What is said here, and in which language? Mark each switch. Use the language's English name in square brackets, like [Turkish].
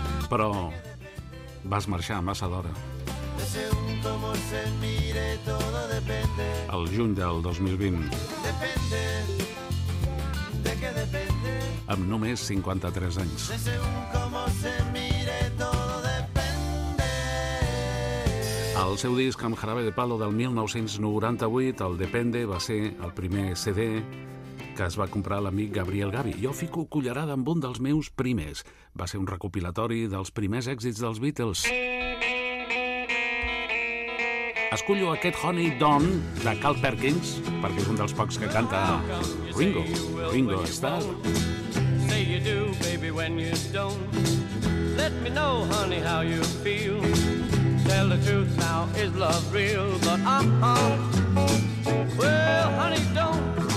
[Catalan] Però vas marxar massa d'hora. [Spanish] De según cómo se mire, todo depende. [Catalan] El juny del 2020. [Spanish] Depende. ¿De qué depende? [Catalan] Amb només 53 anys. [Spanish] De según cómo se mire, todo depende. [Catalan] El seu disc amb Jarabe de Palo del 1998, el Depende, va ser el primer CD que es va comprar l'amic Gabriel Gabi. Jo fico cullerada amb un dels meus primers. Va ser un recopilatori dels primers èxits dels Beatles. escullo aquest Honey Don de Carl Perkins, perquè és un dels pocs que canta Ringo, Ringo Starr. [English] Say you do, baby, when you don't. Let me know, honey, how you feel. Tell the truth now, is love real? But well, honey, don't.